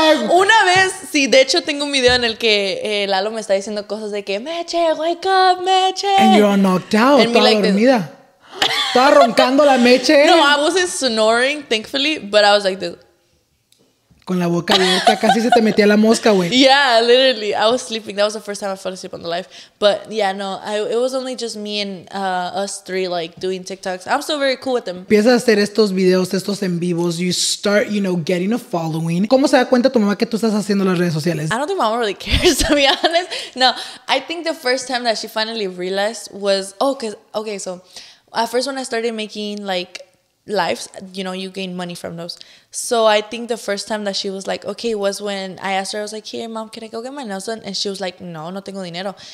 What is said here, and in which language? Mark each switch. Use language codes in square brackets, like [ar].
[es] Una vez, sí, de hecho tengo un video en el que Lalo me está diciendo cosas de que Meche, [en] wake up, Meche. And you're knocked out, [es] toda like dormida. Estaba roncando la Meche. [en] No, I wasn't snoring, thankfully, but I was like this. [es] Con la boca abierta, casi se te metía la mosca, güey. [en] Yeah, literally, I was sleeping. That was the first time I fell asleep on the live. But yeah, no, it was only just me and us three, like, doing TikToks. I'm still very cool with them. [es] Empiezas a hacer estos videos, estos en vivos. [en] You start, you know, getting a following. [es] ¿Cómo se da cuenta tu mamá que tú estás haciendo las redes sociales? [en] I don't think my mom really cares, to be honest. No, I think the first time that she finally realized was, oh, okay, so at first when I started making, like, lives, you know, you gain money from those. So I think the first time that she was like, okay, was when I asked her, I was like, hey, mom, can I go get my nails done? And she was like, [es] no, no tengo dinero.